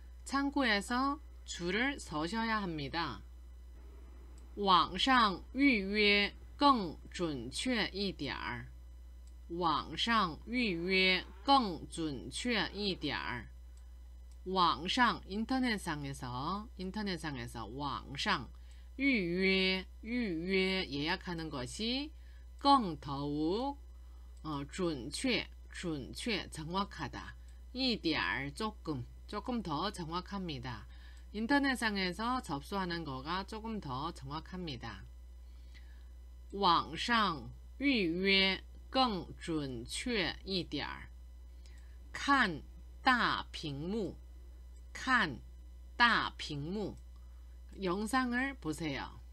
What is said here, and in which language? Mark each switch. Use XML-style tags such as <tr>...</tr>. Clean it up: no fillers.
<ko>창구에서 줄을 서셔야 합니다.</ko> <zh>网上 预约 更 准确 一点儿. 网上 预约 更 准确 一点儿.</zh> <ko>网上 인터넷상에서 网上 预约 예약하는 것이 更 더욱 准确 정확하다. 一点儿 조금 더 정확합니다. 인터넷상에서 접수하는 거가 조금 더 정확합니다.</ko> <zh>网上 预约 更 准确 一点儿. 看 大屏幕 看 大屏幕</zh> <ko>영상을 보세요.</ko>